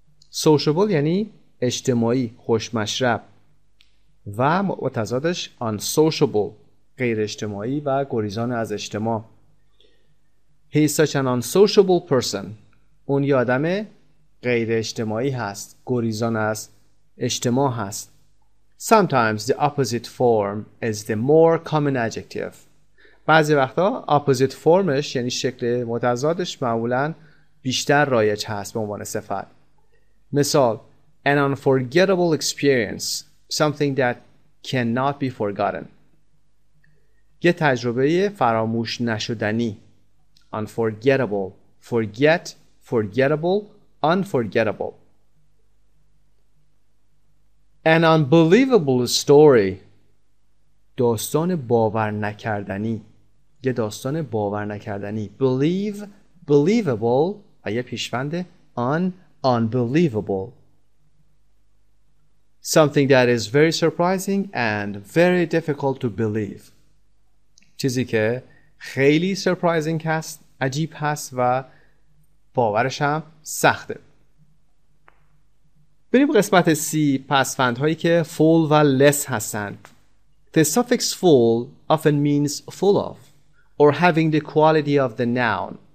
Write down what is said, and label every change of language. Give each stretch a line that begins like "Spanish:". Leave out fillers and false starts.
Persian: Sociable یعنی اجتماعی، خوشمشرب و متضادش unsociable، غیر اجتماعی و گریزان از اجتماع.
English: He is such an unsociable person.
Persian: اون یه آدم غیر اجتماعی هست، گریزان از اجتماع هست.
English: Sometimes the opposite form is the more common adjective.
Persian: بعضی وقتا
English: opposite form
Persian: ش یعنی شکل متضادش معمولا بیشتر رایج هست به عنوان صفت.
English: مثال: an unforgettable experience, something that cannot be forgotten.
Persian: یه تجربه فراموش نشدنی. Unforgettable. Forget. Forgettable. Unforgettable.
English: An unbelievable story.
Persian: داستان باور نکردنی، یه داستان باور نکردنی. Believe، believable و یه پیشونده unbelievable.
English: Something that is very surprising and very difficult to believe.
Persian: چیزی که خیلی surprising هست، عجیب هست و باورش هم سخته. بریم قسمت سی، پسوندهایی که full و less هستند.
English: The suffix full often means full of or having the quality of the noun.